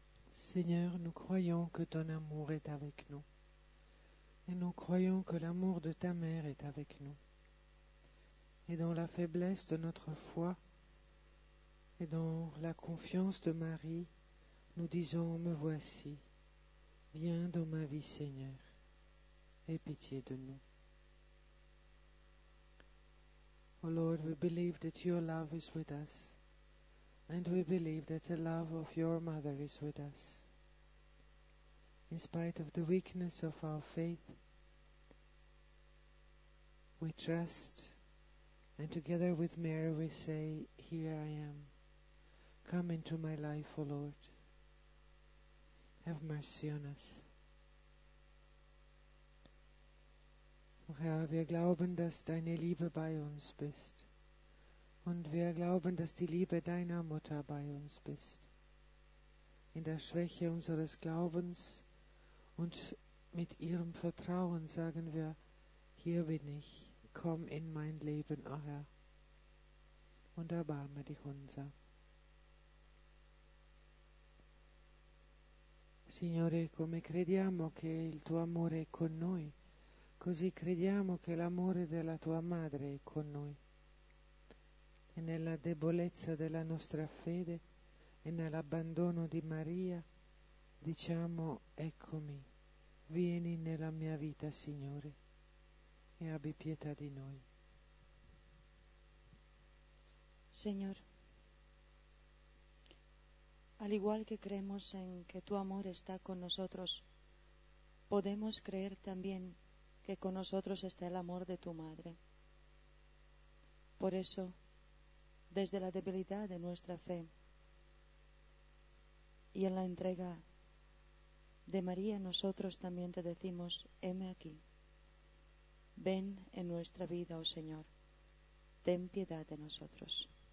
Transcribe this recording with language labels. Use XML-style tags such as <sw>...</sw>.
<fr>Seigneur, nous croyons que ton amour est avec nous, et nous croyons que l'amour de ta mère est avec nous. Et dans la faiblesse de notre foi, et dans la confiance de Marie, nous disons, me voici, viens dans ma vie, Seigneur, aie pitié de nous.</fr> <en>O Lord, we believe that your love is with us, and we believe that the love of your mother is with us. In spite of the weakness of our faith, we trust, and together with Mary we say, here I am. Come into my life, O Lord. Have mercy on us.</en> <de>Herr, wir glauben, dass deine Liebe bei uns bist. Und wir glauben, dass die Liebe deiner Mutter bei uns bist. In der Schwäche unseres Glaubens, und mit ihrem Vertrauen sagen wir, hier bin ich, komm in mein Leben, o Herr, und erbarme dich unser.</de> <it>Signore, come crediamo che il tuo amore è con noi, così crediamo che l'amore della tua madre è con noi. E nella debolezza della nostra fede e nell'abbandono di Maria, diciamo, eccomi. Vieni nella mia vita, Signore, e abbi pietà di noi.</it> <es>Señor, al igual que creemos en que tu amor está con nosotros, podemos creer también que con nosotros está el amor de tu madre. Por eso, desde la debilidad de nuestra fe y en la entrega de María, nosotros también te decimos, heme aquí, ven en nuestra vida, oh Señor, ten piedad de nosotros.</es>